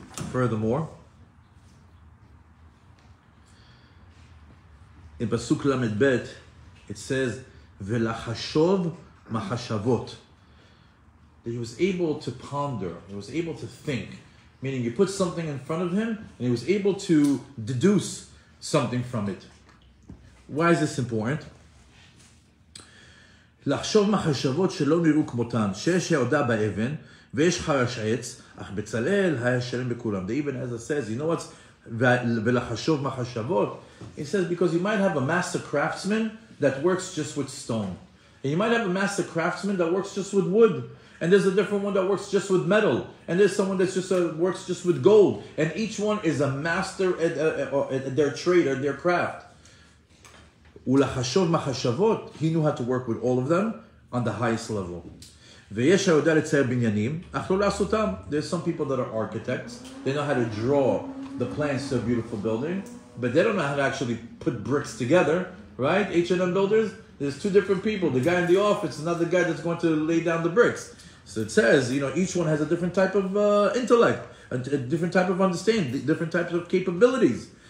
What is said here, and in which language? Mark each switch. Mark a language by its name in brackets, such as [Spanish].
[English] Furthermore, in Pasuk Lamed Bet, it says, [Hebrew] "Velachashov machashavot." [English] That he was able to ponder, he was able to think. Meaning you put something in front of him, and he was able to deduce something from it. Why is this important? [Hebrew] לחשוב מחשבות שלא נראו כמותן, שיש יעודה באבן, ויש חרש עץ, אך בצלל היה שלם בכולם. [English] The Ibn Ezra says, you know what's, [Hebrew] ולחשוב מחשבות? [English] He says, because you might have a master craftsman that works just with stone. And you might have a master craftsman that works just with wood. And there's a different one that works just with metal. And there's someone that works just with gold. And each one is a master at their trade or their craft. [Hebrew] ולחשוב מחשבות, [English] he knew how to work with all of them on the highest level. [Hebrew] ויש היודע לצייר בניינים, אך לא לעשותם. [English] There's some people that are architects. They know how to draw the plans to a beautiful building. But they don't know how to actually put bricks together, right? H&M builders. There's two different people. The guy in the office, another guy that's going to lay down the bricks. So it says, you know, each one has a different type of intellect, a different type of understanding, different types of capabilities.